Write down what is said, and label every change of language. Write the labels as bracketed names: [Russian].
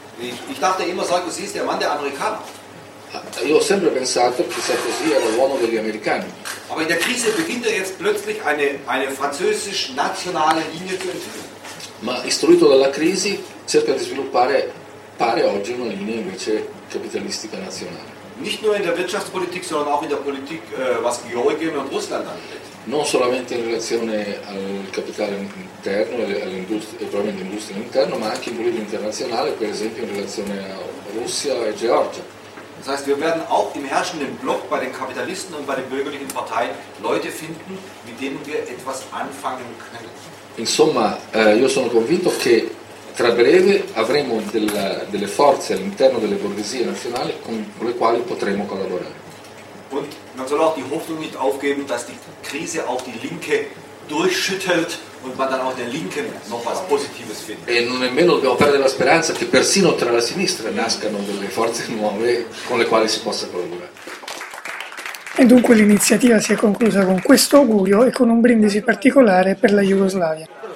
[German] Ich dachte immer, Sarkozy ist der Mann der Amerikaner. [Italian] Io ho sempre pensato che Sarkozy era l'uomo degli americani. [German] Aber in der Krise beginnt jetzt plötzlich eine französisch-nationale Linie zu entwickeln. [Italian] Ma istruito dalla crisi cerca di sviluppare, pare oggi, una linea invece capitalistica nazionale. [German] Nicht nur in der Wirtschaftspolitik, sondern auch in der Politik, was Georgien und Russland angeht. [Italian] Non solamente in relazione al capitale interno e all'industria interna, ma anche in politica internazionale, per esempio in relazione a Russia e Georgia. [German] Das heißt, wir werden auch im herrschenden Block bei den Kapitalisten und bei den bürgerlichen Parteien Leute finden, mit denen wir etwas anfangen können. [Italian] Insomma, io sono convinto che tra breve avremo delle forze all'interno delle borghesie nazionali con le quali potremo collaborare. [German] Und man soll auch die Hoffnung nicht aufgeben, dass die Krise auch die Linke durchschüttelt und man dann auch der Linken noch was Positives findet. [Italian] E non nemmeno dobbiamo perdere la speranza che persino tra la sinistra nascano delle forze nuove con le quali si possa collaborare. E dunque l'iniziativa si è conclusa con questo augurio e con un brindisi particolare per la Jugoslavia.